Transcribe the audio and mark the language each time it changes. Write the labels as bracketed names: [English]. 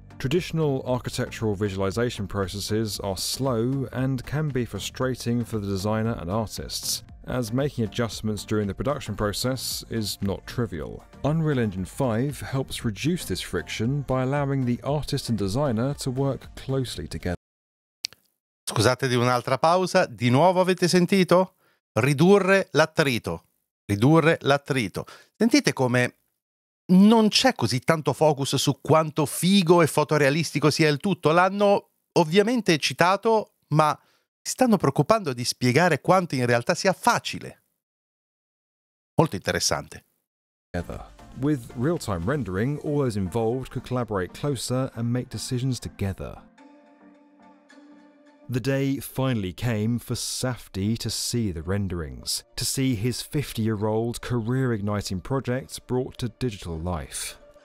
[English] Traditional architectural visualization processes are slow and can be frustrating for the designer and artists, as making adjustments during the production process is not trivial. Unreal Engine 5 helps reduce this friction by allowing the artist and designer to work closely together. [Italian] Scusate di un'altra pausa, di nuovo avete sentito? Ridurre l'attrito. Ridurre l'attrito. Sentite come non c'è così tanto focus su quanto figo e fotorealistico sia il tutto. L'hanno ovviamente citato, ma si stanno preoccupando di spiegare quanto in realtà sia facile. Molto interessante. [English] With real-time rendering, all those involved could collaborate closer and make decisions together. The day finally came for Safdi to see the renderings, to see his 50-year-old career-igniting project brought to digital life.